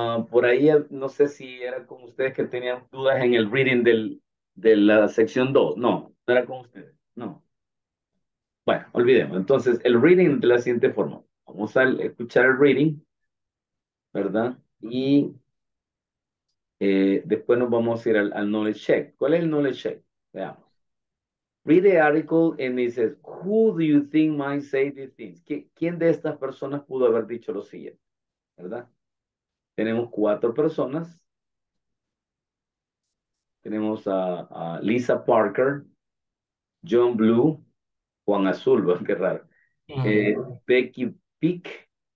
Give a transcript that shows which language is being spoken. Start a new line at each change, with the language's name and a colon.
Spanish: Por ahí, no sé si era con ustedes que tenían dudas en el reading de la sección 2. No era con ustedes, no. Bueno, olvidemos. Entonces, el reading de la siguiente forma. Vamos a escuchar el reading, ¿verdad? Y después nos vamos a ir al knowledge check. ¿Cuál es el knowledge check? Veamos.
English: Read the article and it says, who do you think might say these things?
Spanish: ¿Quién de estas personas pudo haber dicho lo siguiente? ¿Verdad? Tenemos cuatro personas. Tenemos a Lisa Parker, John Blue, Juan Azul, qué raro. Becky Peak,